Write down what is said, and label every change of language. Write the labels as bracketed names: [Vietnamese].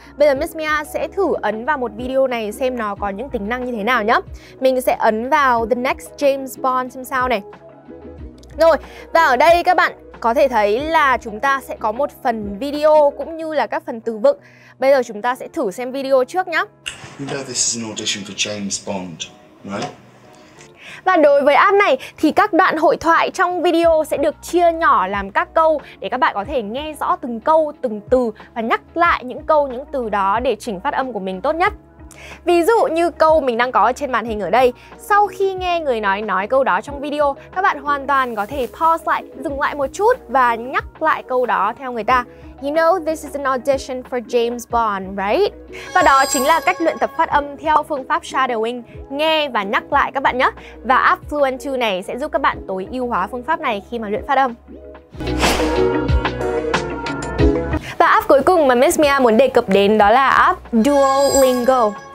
[Vietnamese] Bây giờ Miss Mia sẽ thử ấn vào một video này xem nó có những tính năng như thế nào nhé. Mình sẽ ấn vào The Next James Bond xem sao này. Rồi, và ở đây các bạn có thể thấy là chúng ta sẽ có một phần video cũng như là các phần từ vựng. Bây giờ chúng ta sẽ thử xem video trước nhé. [English] You know this is an audition for James Bond, right? [Vietnamese] Và đối với app này thì các đoạn hội thoại trong video sẽ được chia nhỏ làm các câu để các bạn có thể nghe rõ từng câu, từng từ và nhắc lại những câu, những từ đó để chỉnh phát âm của mình tốt nhất. Ví dụ như câu mình đang có trên màn hình ở đây, sau khi nghe người nói câu đó trong video, các bạn hoàn toàn có thể pause lại, dừng lại một chút và nhắc lại câu đó theo người ta. [English] You know this is an audition for James Bond, right? [Vietnamese] Và đó chính là cách luyện tập phát âm theo phương pháp shadowing, nghe và nhắc lại các bạn nhé. Và app Fluent2 này sẽ giúp các bạn tối ưu hóa phương pháp này khi mà luyện phát âm. Và app cuối cùng mà Miss Mia muốn đề cập đến đó là app Duolingo.